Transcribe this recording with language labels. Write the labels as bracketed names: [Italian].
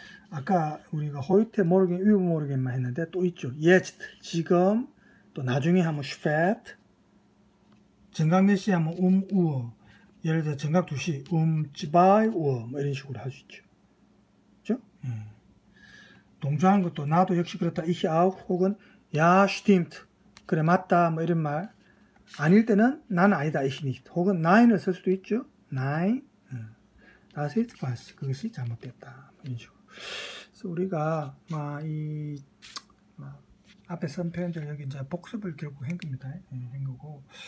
[Korean] 아까 우리가 [German] heute morgen, übermorgen [Korean] 만 했는데 또 있죠. jetzt 지금 또 나중에 하면 spät. 정각 몇 시 하면 우어. 예를 들어 정각 2시 [German] zwei Uhr [Korean] 뭐 이런 식으로 할 수 있죠. 동조하는 것도 나도 역시 그렇다. [German] Ich auch [Korean] 혹은 [German] Ja, stimmt. [Korean] 그래 맞다. 뭐 이런 말. 아닐 때는 난 아니다. [German] Ich nicht. [Korean] 혹은 nein을 쓸 수도 있죠. [German] Nein. Das ist falsch. [Korean] 그것이 잘못됐다. 이런 식으로. 그래서 우리가 막 이 앞에 쓴 표현들 여기 이제 복습을 결국 한 겁니다. 한 거고.